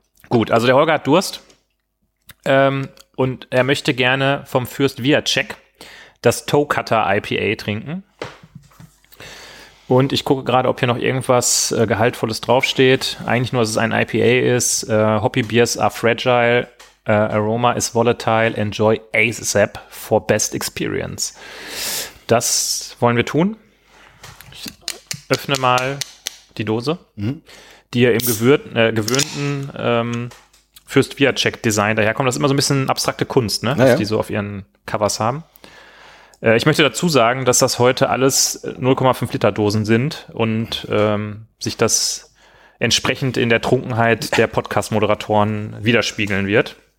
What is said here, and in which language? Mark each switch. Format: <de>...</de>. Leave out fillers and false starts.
<de>Gut, also der Holger hat Durst. Und er möchte gerne vom Fürst Wiatschek das Toe Cutter IPA trinken. Und ich gucke gerade, ob hier noch irgendwas Gehaltvolles draufsteht. Eigentlich nur, dass es ein IPA ist.</de> <en>Hoppy Beers are fragile. Aroma is volatile. Enjoy ASAP for best experience.</en> <de>Das wollen wir tun. Ich öffne mal die Dose, die ja im gewöhnten Fürst Wiatschek-Design daherkommt. Das ist immer so ein bisschen abstrakte Kunst, ne? Dass die so auf ihren Covers haben. Ich möchte dazu sagen, dass das heute alles 0,5 Liter Dosen sind und sich das entsprechend in der Trunkenheit der Podcast-Moderatoren widerspiegeln wird.</de>